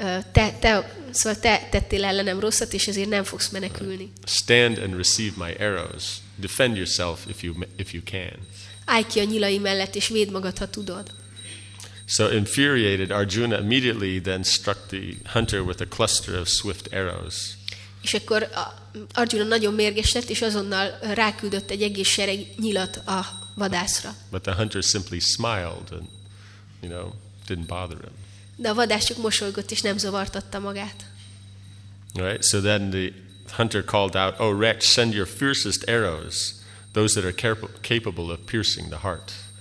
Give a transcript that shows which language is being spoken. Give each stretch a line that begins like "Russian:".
Hungarian: Te tettél ellenem rosszat, és ezért nem fogsz menekülni.
English: Stand and receive my arrows. Defend yourself if you can.
Hungarian: Állj ki a nyilai mellett, és védd magad, ha tudod.
English: So infuriated, Arjuna immediately then struck the hunter with a cluster of swift arrows.
Hungarian: És akkor Arjuna nagyon mérges lett, és azonnal ráküldött egy egész sereg nyilat a vadászra.
English: But the hunter simply smiled and, you know, didn't bother him.
Hungarian: De a vadász csak mosolygott, és nem zavartatta magát.
English: Right, so then the hunter called out, oh wretch, send your fiercest arrows, those that are capable of piercing the heart.